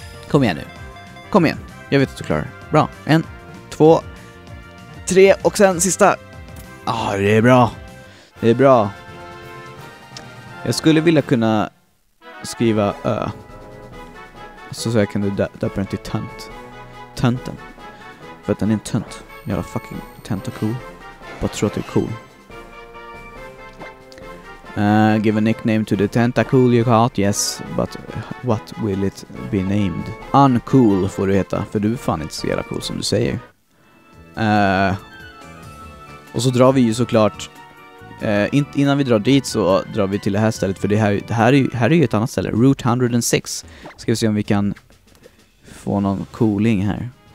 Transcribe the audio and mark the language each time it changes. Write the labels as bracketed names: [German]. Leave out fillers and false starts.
[Swedish] Kom igen nu. Kom igen. Jag vet att du klarar. Bra. En, två, tre och sen sista. Det är bra. Det är bra. Jag skulle vilja kunna skriva ö. Så jag kan döpa den till tönt. Tönten. För att den är en tönt. Jävla fucking tentacool. Bara tror att det är cool. [English] Give a nickname to the tentacool you got. Yes, but what will it be named? [Swedish] Uncool får du heta. För du är fan inte så jävla cool som du säger. Och så drar vi ju såklart... innan vi drar dit så drar vi till det här stället. För det här är ju ett annat ställe. Route 106. Ska vi se om vi kan få någon cooling här.